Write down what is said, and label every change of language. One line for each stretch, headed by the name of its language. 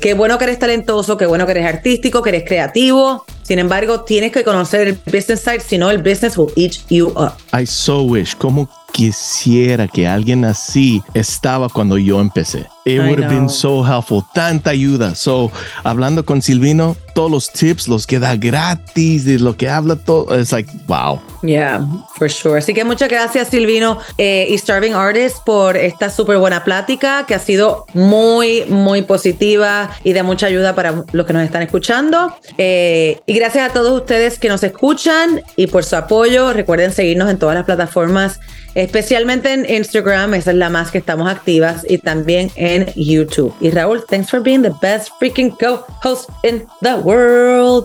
Spanish: Qué bueno que eres talentoso, qué bueno que eres artístico, que eres creativo. Sin embargo, tienes que conocer el business side, si no, el business
English: will eat you up. I so wish,
Spanish: como quisiera que alguien así estaba cuando yo empecé.
English: It would have been so helpful,
Spanish: tanta ayuda. So, hablando con Silvino, todos los tips los queda gratis de lo que habla todo.
English: It's like, wow. Yeah, for sure.
Spanish: Así que muchas gracias, Silvino y Starving Artist, por esta súper buena plática que ha sido muy, muy positiva y de mucha ayuda para los que nos están escuchando. Y gracias a todos ustedes que nos escuchan y por su apoyo. Recuerden seguirnos en todas las plataformas, especialmente en Instagram. Esa es la más que estamos activas, y también en YouTube.
English: Y Raúl, thanks for being the best freaking co-host in the world.